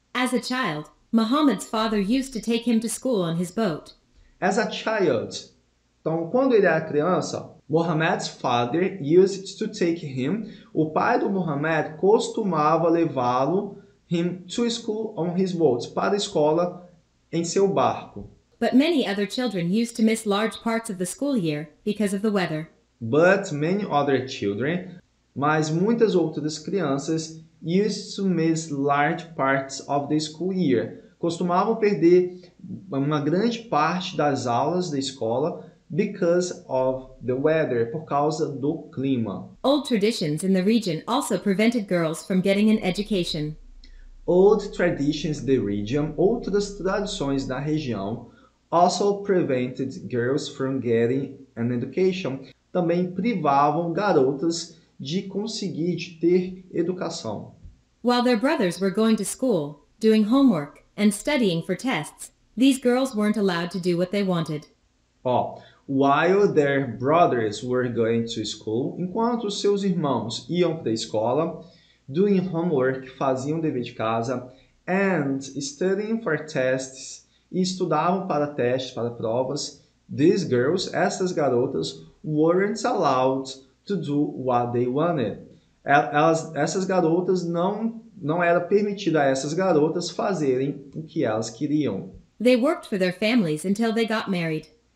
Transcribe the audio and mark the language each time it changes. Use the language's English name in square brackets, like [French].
[English] As a child, Muhammad's father used to take him to school on his boat. As a child. [Portuguese] Então, quando ele era criança, [English] Muhammad's father used to take him. [Portuguese] O pai do Muhammad costumava levá-lo [English] to school on his boat, [Portuguese] para a escola em seu barco. [English] But many other children used to miss large parts of the school year because of the weather. But many other children, [Portuguese] mas muitas outras crianças, [English] used to miss large parts of the school year. [Portuguese] Costumavam perder uma grande parte das aulas da escola. [English] Because of the weather, [Portuguese] por causa do clima. [English] Old traditions in the region also prevented girls from getting an education. Old traditions in the region, [Portuguese] outras tradições da região, [English] also prevented girls from getting an education. [Portuguese] Também privavam garotas de conseguir, de ter educação. [English] While their brothers were going to school, doing homework, and studying for tests, these girls weren't allowed to do what they wanted. Ó. While their brothers were going to school, [Portuguese] enquanto seus irmãos iam para a escola, [English] doing homework, [Portuguese] faziam dever de casa, [English] and studying for tests, [Portuguese] e estudavam para testes, para provas, [English] these girls, [Portuguese] essas garotas, [English] weren't allowed to do what they wanted. [Portuguese] Essas garotas não era permitido a essas garotas fazerem o que elas queriam. [English] They worked for their families until they got married.